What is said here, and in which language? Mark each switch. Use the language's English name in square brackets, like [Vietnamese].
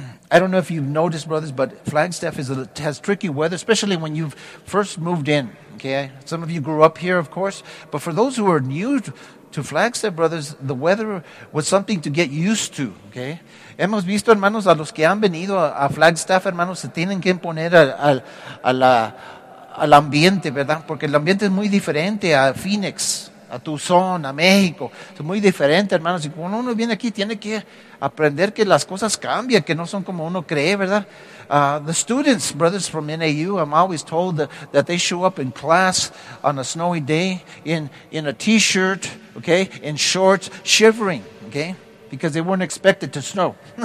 [English] I don't know if you've noticed, brothers, but Flagstaff has tricky weather, especially when you've first moved in. Okay, some of you grew up here, of course, but for those who are new to Flagstaff, brothers, the weather was something to get used to. [Spanish] Okay, hemos visto, hermanos, a los que han venido a Flagstaff, hermanos, se tienen que imponer al ambiente, verdad? Porque el ambiente es muy diferente a Phoenix, a Tucson, a México. Es muy diferente, hermanos. Y cuando uno viene aquí, tiene que aprender que las cosas cambian, que no son como uno cree, ¿verdad? [English] The students, brothers from NAU, I'm always told that they show up in class on a snowy day in a t-shirt, okay, in shorts, shivering, okay, because they weren't expected to snow.